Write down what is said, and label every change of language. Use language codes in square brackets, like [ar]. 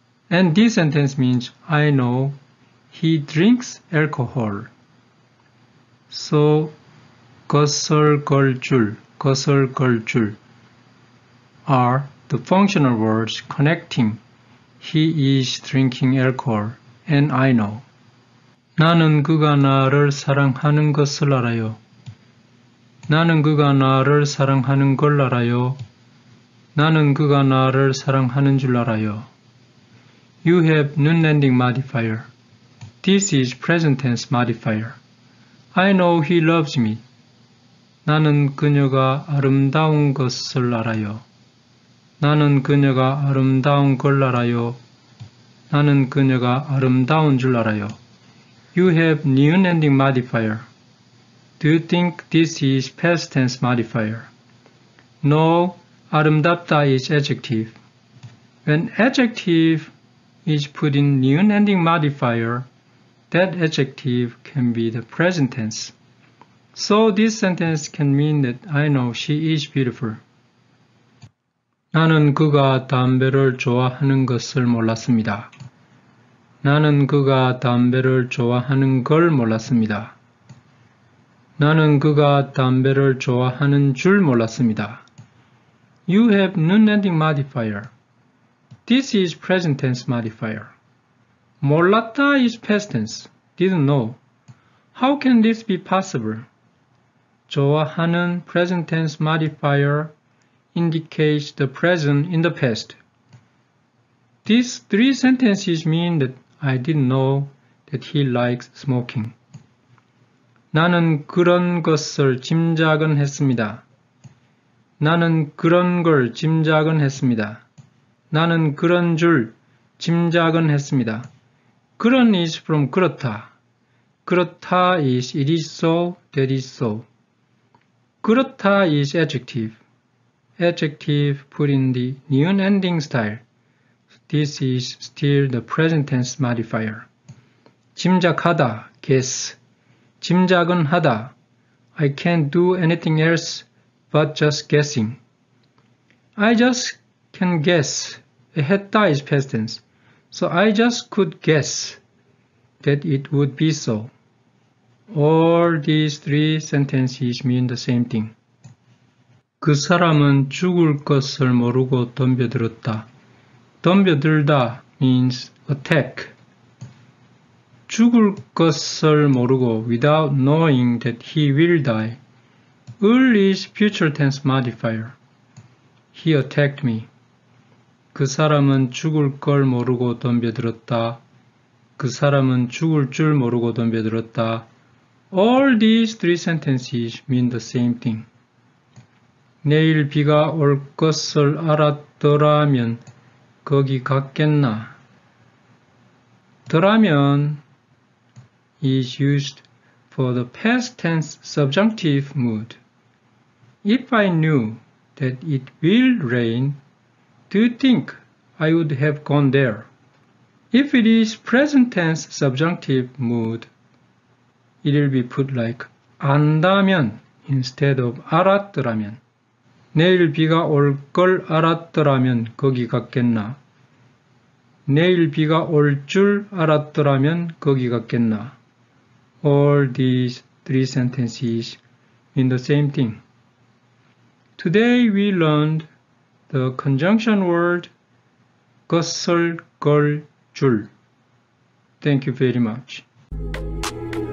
[en] And this sentence means, I know he drinks alcohol. So, 것을 걸 줄, 것을 걸 줄 are the functional words connecting he is drinking alcohol and I know. [ko] 나는 그가 나를 사랑하는 것을 알아요. 나는 그가 나를 사랑하는 걸 알아요. 나는 그가 나를 사랑하는 줄 알아요. [en] You have noun ending modifier. This is present tense modifier. I know he loves me. [ko] 나는 그녀가 아름다운 것을 알아요. 나는 그녀가 아름다운 걸 알아요. 나는 그녀가 아름다운 줄 알아요. [en] You have noun ending modifier. Do you think this is past tense modifier? No, 아름답다 is adjective. When adjective is put in noun ending modifier, that adjective can be the present tense. So this sentence can mean that I know she is beautiful. [ko] 나는 그가 담배를 좋아하는 것을 몰랐습니다. 나는 그가 담배를 좋아하는 걸 몰랐습니다. 나는 그가 담배를 좋아하는 줄 몰랐습니다. [en] You have noun ending modifier. This is present tense modifier. 몰랐다 is past tense. Didn't know. How can this be possible? 좋아하는 present tense modifier indicates the present in the past. These three sentences mean that I didn't know that he likes smoking. [ko] 나는 그런 것을 짐작은 했습니다. 나는 그런 걸 짐작은 했습니다. 나는 그런 줄 짐작은 했습니다. [en] 그런 is from 그렇다. 그렇다 is it is so, that is so. 그렇다 is adjective. Adjective put in the noun ending style. This is still the present tense modifier. 짐작하다, guess. [ko] 짐작은 하다. [en] I can't do anything else but just guessing. I just can guess. 했다 is past tense. So I just could guess that it would be so. All these three sentences mean the same thing. [ko] 그 사람은 죽을 것을 모르고 덤벼들었다. [en] 덤벼들다 means attack. [ko] 죽을 것을 모르고 [en] without knowing that he will die. 을 is future tense modifier. He attacked me. [ko] 그 사람은 죽을 걸 모르고 덤벼들었다. 그 사람은 죽을 줄 모르고 덤벼들었다. [en] All these three sentences mean the same thing. [ko] 내일 비가 올 것을 알았더라면 거기 갔겠나? [en] 더라면 is used for the past tense subjunctive mood. If I knew that it will rain, do you think I would have gone there? If it is present tense subjunctive mood, it will be put like 안다면 instead of 알았더라면. [ko] 내일 비가 올걸 알았더라면 거기 갔겠나? 내일 비가 올줄 알았더라면 거기 갔겠나? [en] All these three sentences mean the same thing. Today we learned the conjunction word 것을, 걸, 줄. Thank you very much.